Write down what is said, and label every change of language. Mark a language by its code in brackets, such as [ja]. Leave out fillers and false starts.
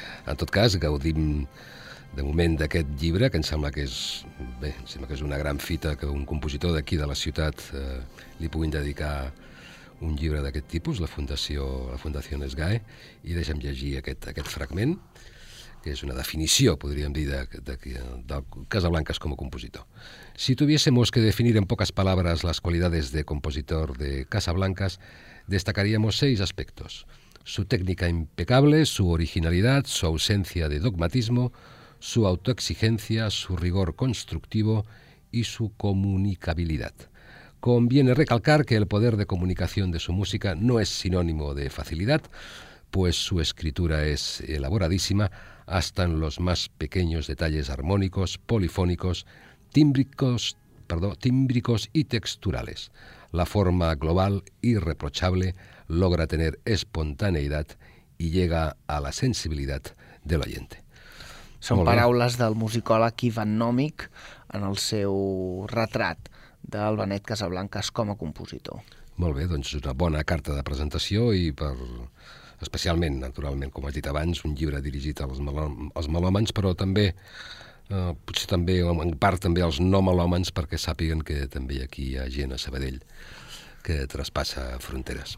[ca] En tot cas, gaudim de moment d'aquest llibre, que em sembla que és una gran fita que un compositor d'aquí de la ciutat li puguin dedicar un llibre d'aquest tipus, la Fundació SGAE, i deixem llegir aquest fragment, que és una definició, podríem dir, de Casablanques com a compositor. [es] Si tuviésemos que definir en pocas palabras las cualidades de compositor de Casablanques, destacaríamos 6 aspectos: su técnica impecable, su originalidad, su ausencia de dogmatismo, su autoexigencia, su rigor constructivo y su comunicabilidad. Conviene recalcar que el poder de comunicación de su música no es sinónimo de facilidad, pues su escritura es elaboradísima, hasta en los más pequeños detalles armónicos, polifónicos, tímbricos y texturales. La forma global, irreprochable, logra tener espontaneidad y llega a la sensibilidad del oyente. [ca] Son paraules del musicòleg Ivannòmic en el seu retrat del Benet Casablanques com a compositor. Molt bé, doncs és una bona carta de presentació, i per especialment, naturalment, com has dit abans, un llibre dirigit als melòmans, però també, potser també, en part també als no melòmans, perquè sàpiguen que també aquí hi ha gent a Sabadell que traspassa fronteres.